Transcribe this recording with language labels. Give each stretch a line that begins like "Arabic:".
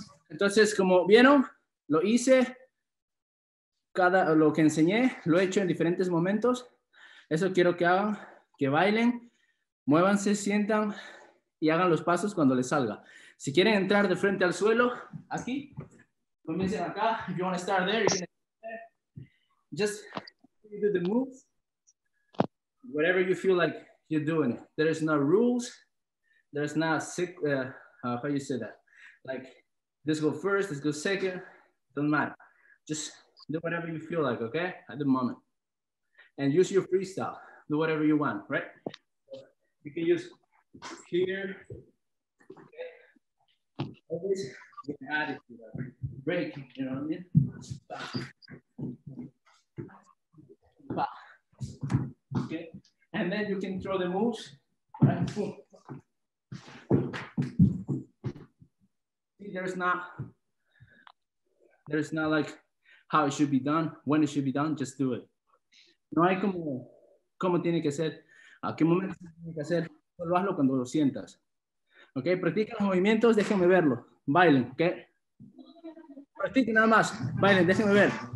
Spanish: Entonces, como vieron, lo hice, cada lo que enseñé, lo he hecho en diferentes momentos. Eso quiero que hagan, que bailen, muévanse, sientan y hagan los pasos cuando les salga. Si quieren entrar de frente al suelo, aquí, comiencen acá.
English: If you want to start there, you can just do the moves, whatever you feel like you're doing. There is no rules, there is no sick, how you say that? Like, this go first, this go second, don't matter. Just do whatever you feel like, okay? At the moment. And use your freestyle, do whatever you want, right? You can use here, okay? Always get added to the break, you know what I mean? Okay? And then you can throw the moves, right? Boom. There's not like how it should be done, when it should be done, just do it.
Spanish: No hay como tiene que ser, a qué momento tiene que hacer, solo hazlo cuando lo sientas. Ok, practica los movimientos, déjenme verlo, bailen, ok. Practica nada más, bailen, déjenme ver.